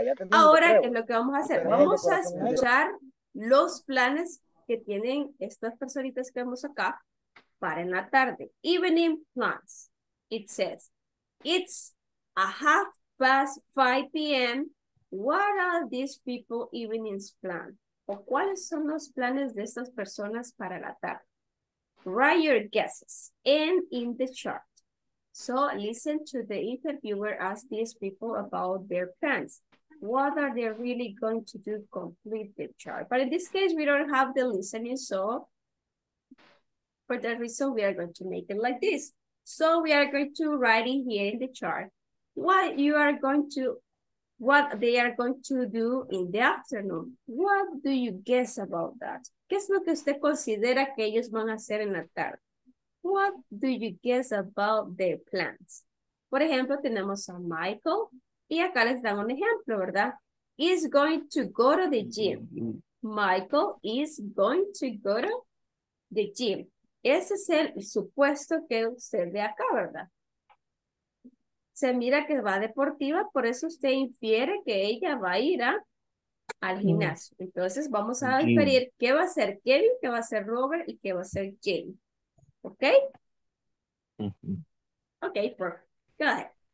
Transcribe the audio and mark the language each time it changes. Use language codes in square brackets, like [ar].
[es] Ahora, ¿qué es lo que vamos a hacer? Vamos a escuchar los planes que tienen estas personitas que vemos acá para en la tarde. [en] Evening plans. It says, it's a 5:30 p.m. What are these people evenings plan? [es] ¿O cuáles son los planes de estas personas para la tarde? [en] Write your guesses and in the chart. So listen to the interviewer ask these people about their plans. What are they really going to do? Complete the chart. But in this case, we don't have the listening. So for that reason, we are going to make it like this. So we are going to write in here in the chart what you are going to, what they are going to do in the afternoon. What do you guess about that? [es] ¿Qué es lo que usted considera que ellos van a hacer en la tarde? [en] What do you guess about their plans? [es] Por ejemplo, tenemos a Michael y acá les dan un ejemplo, ¿verdad? [en] He's going to go to the gym. Michael is going to go to the gym. [es] Ese es el supuesto que usted ve acá, ¿verdad? Se mira que va deportiva, por eso usted infiere que ella va a ir al gimnasio. Entonces vamos a inferir qué va a ser Kevin, qué va a ser Robert y qué va a ser Jane. ¿Ok? Uh-huh. Ok, perfecto. [en] Go ahead.